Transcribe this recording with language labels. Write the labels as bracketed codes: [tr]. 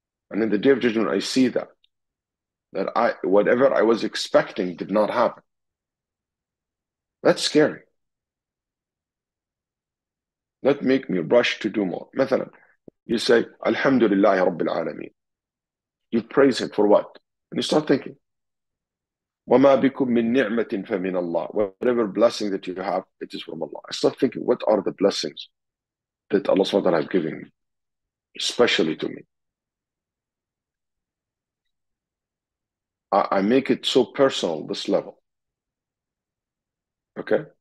[en] And in the Day of Judgment, I see that. That I whatever I was expecting did not happen. That's scary. That make me rush to do more. مثلا, you say, Alhamdulillah, Rabbil Alameen. You praise Him for what? And you start thinking, [ar] وَمَا بِكُم مِّن نِعْمَةٍ فَمِنَ اللَّهِ. [en] Whatever blessing that you have, it is from Allah. I start thinking, what are the blessings that Allah subhanahu wa ta'ala has given me, especially to me? I make it so personal, this level. Okay?